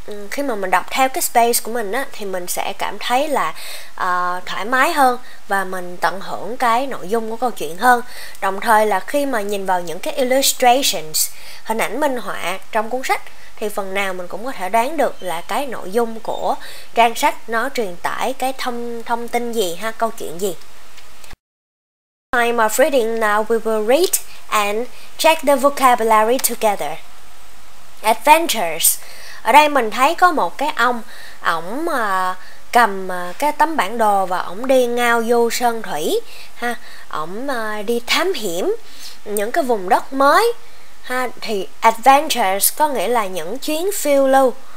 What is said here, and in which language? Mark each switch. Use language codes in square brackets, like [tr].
[vi] Khi mà mình đọc theo cái space của mình á, thì mình sẽ cảm thấy là thoải mái hơn và mình tận hưởng cái nội dung của câu chuyện hơn. Đồng thời là khi mà nhìn vào những cái illustrations, hình ảnh minh họa trong cuốn sách, thì phần nào mình cũng có thể đoán được là cái nội dung của trang sách nó truyền tải cái thông tin gì ha, câu chuyện gì. [en] Time of reading now, we will read and check the vocabulary together. Adventures. [vi] Ở đây mình thấy có một cái ông, ổng cầm cái tấm bản đồ và ổng đi ngao du sơn thủy ha, ổng đi thám hiểm những cái vùng đất mới ha. Thì adventures có nghĩa là những chuyến phiêu lưu.